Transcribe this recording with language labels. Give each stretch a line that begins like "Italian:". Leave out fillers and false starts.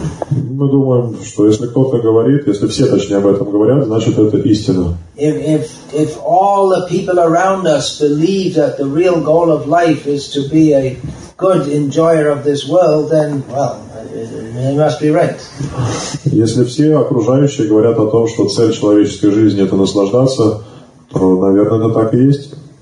Russian: Мы думаем, что если кто-то говорит, если все точнее об этом говорят, значит это истина.
English: If all the people around us believe that the real goal of life is to be a good enjoyer of this world, then well, they must be right.
Russian: Если все окружающие говорят о том, что цель человеческой жизни это наслаждаться, то, наверное, это так и есть.